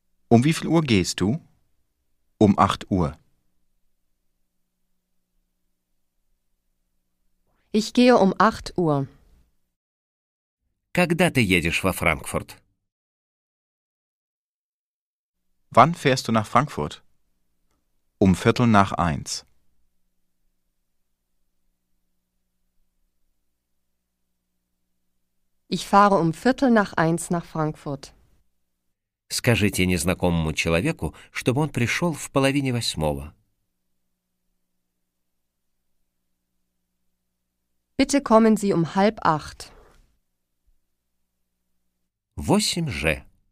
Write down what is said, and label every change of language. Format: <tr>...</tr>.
<de>Wie viel Uhr gehst du? 8 Uhr. Ich gehe 8 Uhr.</de> <ru>Когда ты едешь во Франкфурт?</ru> <de>Wann fährst du nach Frankfurt? Viertel nach eins. Ich fahre Viertel nach eins nach Frankfurt.</de> <ru>Скажите незнакомому человеку, чтобы он пришел в половине восьмого.</ru> <de>Bitte kommen Sie 7:30. 8G.</de>